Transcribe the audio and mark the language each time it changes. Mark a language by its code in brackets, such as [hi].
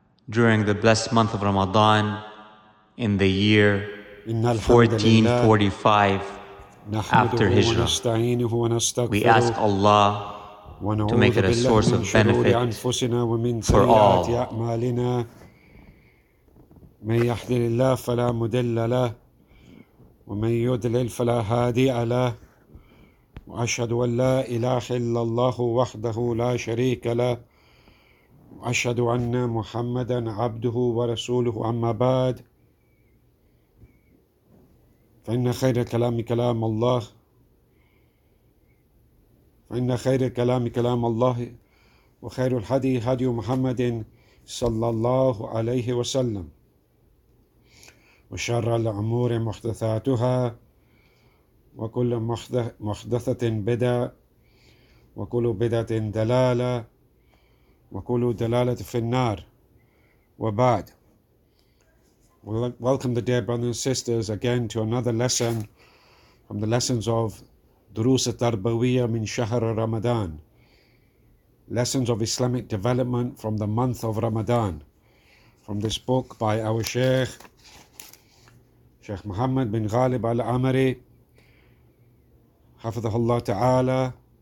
[en] during the blessed month of Ramadan in the year 1445 after Hijra. We ask Allah to make it a source of benefit for all. [ar] من يهد الله فلا مضل له ومن يضلل فلا هادي له وأشهد أن لا إله إلا الله وحده لا شريك له وأشهد أن محمدا عبده ورسوله أما بعد فإن خير الكلام كلام الله فإن خير الكلام كلام الله وخير الحديث هدي محمد صلى الله عليه وسلم وشر الأمور محدثاتها وكل محدثة بدعة وكل بدعة دلالة وكل دلالة في النار وبعد. [en] Welcome the dear brothers and sisters again to another lesson from the lessons of Durus al-Tarbawiyyah min Shahr Ramadan, lessons of Islamic development from the month of Ramadan, from this book by our Sheikh, Sheikh Muhammad bin Ghalib al-Amri, Hafizahullah Ta'ala.